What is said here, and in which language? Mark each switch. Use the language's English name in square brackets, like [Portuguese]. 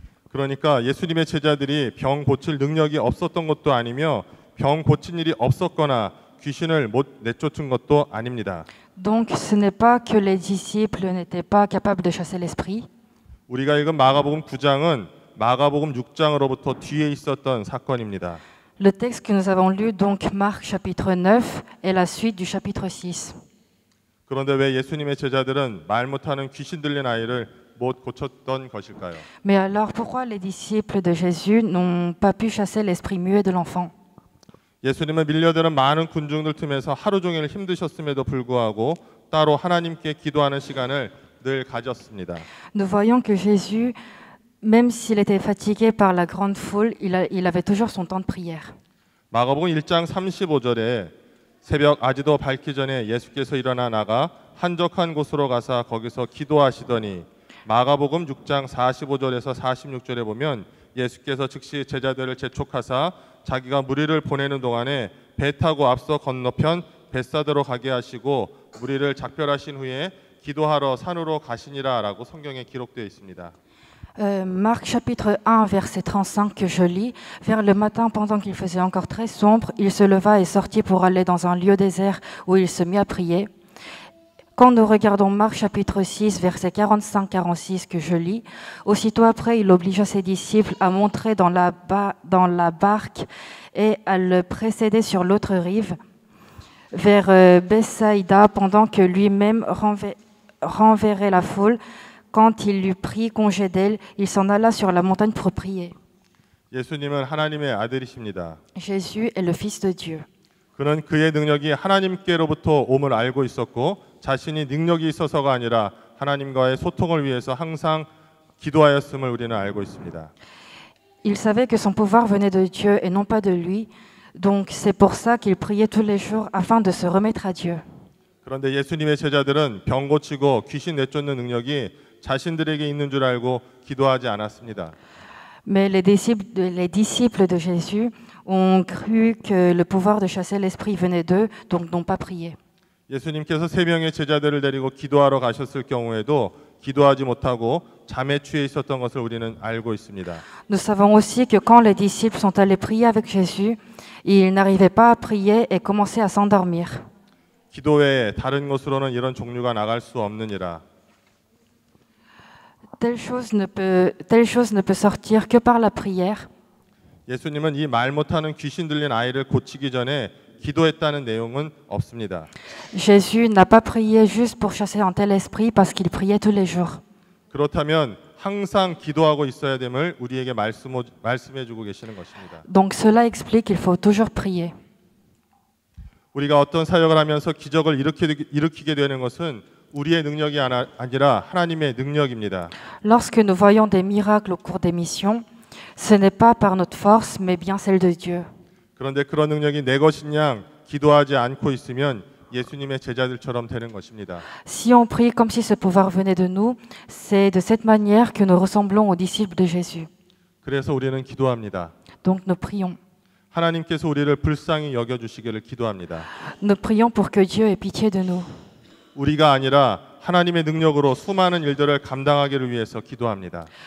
[Korean] 그러니까 예수님의 제자들이 병 고칠 능력이 없었던 것도 아니며 병 고친 일이 없었거나 귀신을 못 내쫓은 것도 아닙니다. [French] Donc ce n'est pas que les disciples n'étaient pas capables de chasser l'esprit. [Korean] 우리가 읽은 마가복음 9장은 마가복음 6장으로부터 뒤에 있었던 사건입니다. [French] Le texte que nous avons lu donc Marc chapitre 9 est la suite du chapitre 6. [Korean] 그런데 왜 예수님의 제자들은 말 못하는 귀신 들린 아이를 못 고쳤던 것일까요? [French] Mais alors pourquoi les disciples de Jésus n'ont pas pu chasser l'esprit muet de l'enfant? [Korean] 예수님은 밀려드는 많은 군중들 틈에서 하루 종일 힘드셨음에도 불구하고 따로 하나님께 기도하는 시간을 늘 가졌습니다. [French] Nous voyons que Jésus, même s'il était fatigué par la grande foule, il avait toujours son temps de prière. [Korean] 마가복음 1장 35절에 새벽 아직도 밝기 전에 예수께서 일어나 나가 한적한 곳으로 가서 거기서 기도하시더니 마가복음 6장 45절에서 46절에 보면 예수께서 즉시 제자들을 재촉하사 자기가 무리를 보내는 동안에 배 타고 앞서 건너편 벳사드로 가게 하시고 무리를 작별하신 후에 기도하러 산으로 가시니라라고 성경에 기록되어 있습니다. [French] Marc chapitre 1 verset 35 que je lis vers le matin pendant qu'il faisait encore très sombre, il se leva et sortit pour aller dans un lieu désert où il se mit à prier. Quand nous regardons Marc chapitre 6 verset 45-46 que je lis, aussitôt après il obligea ses disciples à monter dans la barque et à le précéder sur l'autre rive vers Bethsaïda pendant que lui-même renverrait la foule. Quand il eut pris congé d'elle, il s'en alla sur la montagne pour prier. [Korean] 예수님은 하나님의 아들이십니다. [French] Jésus est le fils de Dieu. [Korean] 그는 그의 능력이 하나님께로부터 옴을 알고 있었고 자신이 능력이 있어서가 아니라 하나님과의 소통을 위해서 항상 기도하였음을 우리는 알고 있습니다. [French] Il savait que son pouvoir venait de Dieu et non pas de lui. Donc c'est pour ça qu'il priait tous les jours afin de se remettre à Dieu. [Korean] 그런데 예수님의 제자들은 병 고치고 귀신 내쫓는 능력이 자신들에게 있는 줄 알고 기도하지 않았습니다. [French] Mais les disciples de Jésus ont cru que le pouvoir de chasser l'esprit venait d'eux, donc n'ont pas prié. [Korean] 예수님께서 세 명의 제자들을 데리고 기도하러 가셨을 경우에도 기도하지 못하고 잠에 취해 있었던 것을 우리는 알고 있습니다. [French] Nous savons aussi que quand les disciples sont allés prier avec Jésus, ils n'arrivaient pas à prier et commençaient à s'endormir. [Korean] 기도 외에 다른 것으로는 이런 종류가 나갈 수 없느니라. [French] Telle chose ne peut sortir que par la prière. [Korean] 예수님은 이 말 못하는 귀신 들린 아이를 고치기 전에 기도했다는 내용은 없습니다. [French] Jésus n'a pas prié juste pour chasser un tel esprit parce qu'il priait tous les jours. [Korean] 그렇다면 항상 기도하고 있어야 됨을 우리에게 말씀해 주고 계시는 것입니다. [French] Donc cela explique qu'il faut toujours prier. [Korean] 우리가 어떤 사역을 하면서 기적을 일으키게 되는 것은 우리의 능력이 아니라 하나님의 능력입니다. [French] Lorsque nous voyons des miracles au cours des missions, ce n'est pas par notre force mais bien celle de Dieu. [Korean] 그런데 그런 능력이 내 것인 양 기도하지 않고 있으면 예수님의 제자들처럼 되는 것입니다. [French] Si on prie comme si ce pouvoir venait de nous, c'est de cette manière que nous ressemblons aux disciples de Jésus. [Korean] 그래서 우리는 기도합니다. [French] Donc nous prions. [Korean] 하나님께서 우리를 불쌍히 여겨 주시기를 기도합니다. [French] Nous prions pour que Dieu ait pitié de nous. [Korean] 우리가 아니라 하나님의 능력으로 수많은 일들을 감당하기를 위해서 기도합니다.